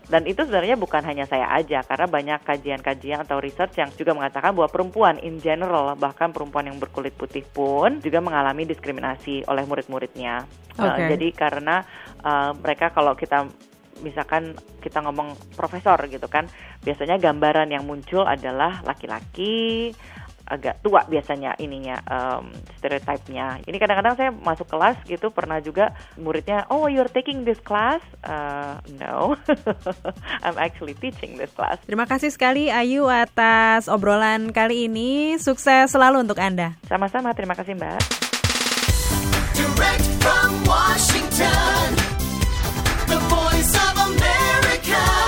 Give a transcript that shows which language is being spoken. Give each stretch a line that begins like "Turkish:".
Indonesian: Dan itu sebenarnya bukan hanya saya aja, karena banyak kajian-kajian atau research yang juga mengatakan bahwa perempuan
English: in general,
Indonesian: bahkan perempuan yang berkulit putih pun juga mengalami diskriminasi oleh murid-muridnya. Okay. Jadi karena mereka, kalau kita misalkan kita ngomong profesor gitu kan, biasanya gambaran yang muncul adalah laki-laki, agak tua biasanya ininya, stereotype-nya. Ini kadang-kadang saya masuk kelas gitu, pernah juga muridnya,
English: oh you're taking this class? No, I'm actually teaching this class.
Indonesian: Terima kasih sekali Ayu atas obrolan kali ini, sukses selalu untuk Anda. Sama-sama, terima kasih Mbak.
English: Direct from Washington, the voice of America.